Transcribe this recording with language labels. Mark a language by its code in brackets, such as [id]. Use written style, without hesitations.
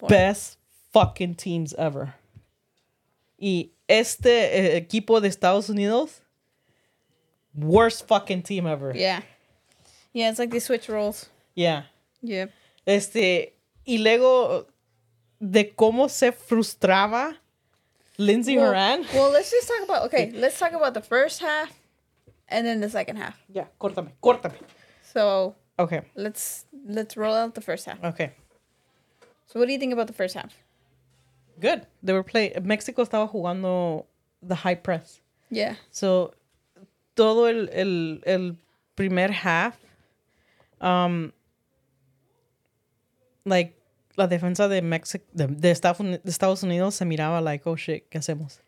[en] best fucking teams ever. [es] Y este equipo de Estados Unidos, [en] worst fucking team ever. Yeah. Yeah, it's like they switch roles. Yeah. Yep. [es] Este, y luego, de cómo se frustraba Lindsay Horan. [en] Well, let's just talk about, okay, let's talk about the first half and then the second half. Yeah, [es] córtame, córtame. [en] So, okay. Let's roll out the first half. Okay. So, what do you think about the first half? Good. They were playing, Mexico [es] estaba jugando [en] the high press. Yeah. [es] So, todo el primer half, like, la defensa de Mexico, de Estados Unidos se miraba like, [en] oh shit, [es] ¿qué hacemos?